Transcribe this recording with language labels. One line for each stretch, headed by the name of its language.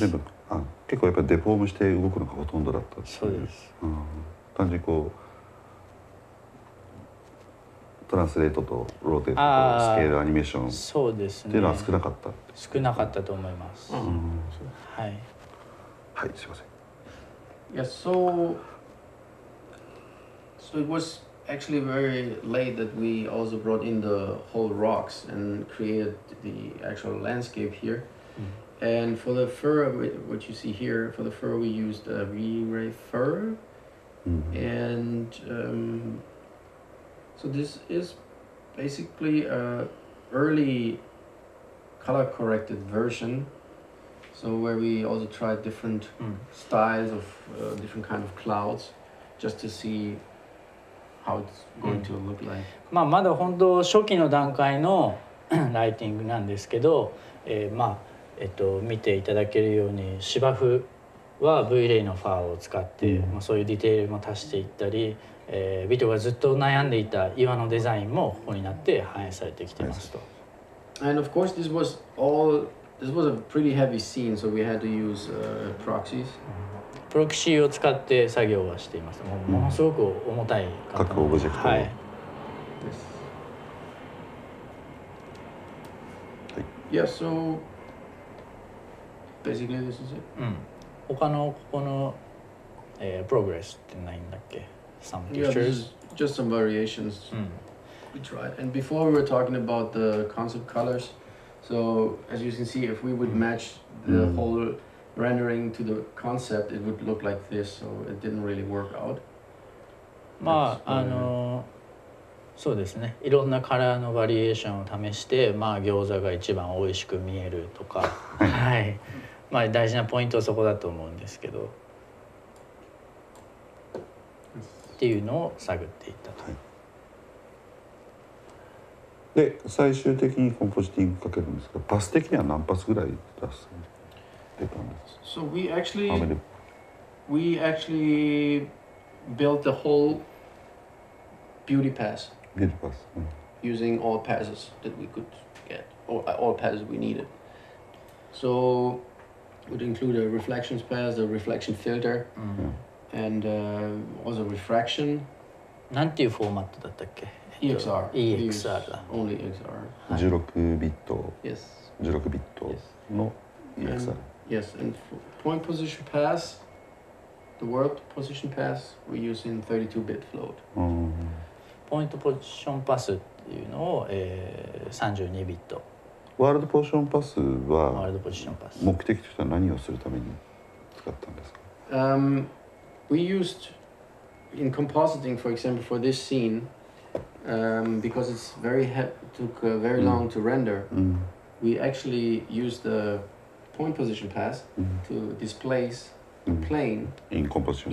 Japanese: 全部、あ、結構やっぱりデフォームして動くのがほとんどだったっていう。そうです。単純にこうトランスレートとローテートとスケールアニメーションそうですね、っていうのは少なかったっ、ね、少なかったと思います、うん、はい、はい、すいません。
English: Yes, so it was actually very late that we also brought in the whole rocks and created the actual landscape here、mm-hmm. and for the fur, what you see here, for the fur we used a V-Ray fur、 mm-hmm. andSo this is basically an early color corrected version. So where we also tried different styles of different kind of clouds, just to see how it's going to look like.
Japanese: まあまだ本当初期の段階のライティングなんですけど、まあ見ていただけるように芝生は V-Ray のファーを使って、まあそういうディテールも足していったり。ビトがずっと悩んでいた岩のデザインもここになって反映されてきてますと。
English: And of course this was all, this was a pretty heavy scene, so we had to use proxies.
Japanese: プロキシーを使って作業はしています。ものすごく重たい各オブジェクト。はい。
English: Yes. Yeah, so basically this is it.
Japanese: うん。他のここの、プログレスってないんだっけ？
English: Yeah, this is just some variations we tried. And before we were talking about the concept colors, so as you can see, if we would match the whole rendering to the concept, it would look like this, so it didn't really work out.
Japanese: まあ、あの、そうですね。いろんなカラーのバリエーションを試して、まあ、餃子が一番おいしく見えるとか、はい。まあ、大事なポイントはそこだと思うんですけど。っていうのを探っていったと、はい、で最終的にコンポジティングかけるんですが、パス的には何パスぐらい出たんですか？
English: So we actually built the whole beauty pass beauty pass、 using all passes that we could get all pairs we needed. So we'd include a reflections pairs, a reflection filter, and also refraction.
Japanese: なんていうフォーマットだったっけ
English: ？EXR。
Japanese: EXR だ。
English: Only EXR。 16bit。 Yes。
Japanese: 16bit の EXR。
English: Yes. And point position pass, the world position pass, we're using 32-bit float.
Japanese: ポイントポジションパスっていうのを、32bit。ワールドポジションパスはワールドポジションパス目的としては何をするために使ったんですか
English: We used in compositing, for example, for this scene, because it's very took very long to render, we actually used the point position pass to displace the plane in composition.